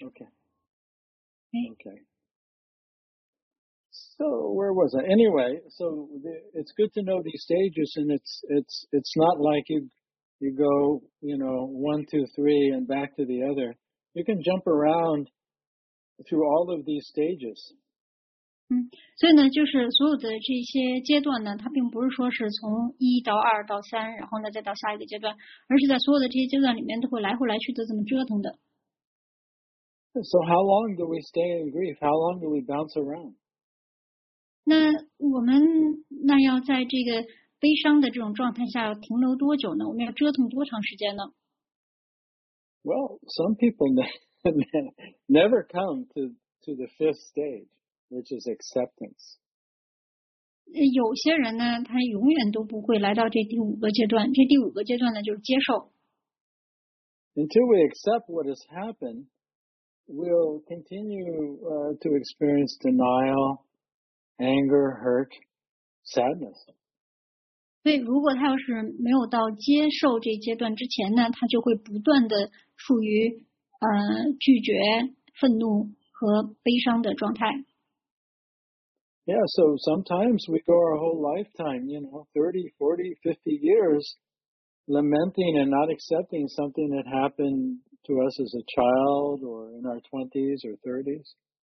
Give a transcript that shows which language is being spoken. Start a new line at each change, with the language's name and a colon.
English: Okay. So where was I? Anyway, so it's good to know these stages, and it's not like you go, you know, 1, 2, 3 and back to the other. You can jump around through all of these stages.
Chinese: 所以呢，就是所有的这些阶段呢，它并不是说是从一到二到三，然后呢再到下一个阶段，而是在所有的这些阶段里面都会来回来去的这么折腾的。
English: So how long do we stay in grief? How long do we bounce around?
Chinese: 那我们那要在这个悲伤的这种状态下停留多久呢？我们要折腾多长时间呢？
English: Well, some people never come to the fifth stage, which is acceptance.
Chinese: 有些人呢，他永远都不会来到这第五个阶段。这第五个阶段呢，就是接受。
English: Until we accept what has happened, we'll continue to experience denial, anger, hurt, sadness.
Chinese: 对，如果他要是没有到接受这阶段之前呢，他就会不断的处于拒绝、愤怒和悲伤的状态。
English: Yeah, so sometimes we go our whole lifetime, you know, 30, 40, 50 years, lamenting and not accepting something that happened to us as a child or in our 20s or 30s.